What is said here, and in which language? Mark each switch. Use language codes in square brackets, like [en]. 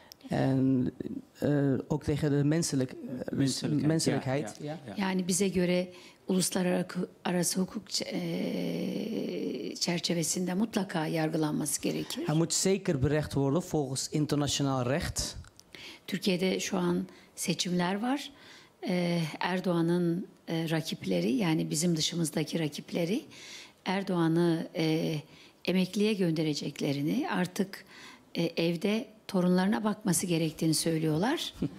[nl] En ook tegen de menselijkheid. [tr] Yani bize göre uluslararası hukuk çerçevesinde mutlaka yargılanması gerekir. [nl] Hij moet zeker berecht worden volgens internationaal recht. [tr] Türkiye'de şu an seçimler var. Erdoğan'ın rakipleri, yani bizim dışımızdaki rakipleri Erdoğan'ı emekliye göndereceklerini, artık evde torunlarına bakması gerektiğini söylüyorlar.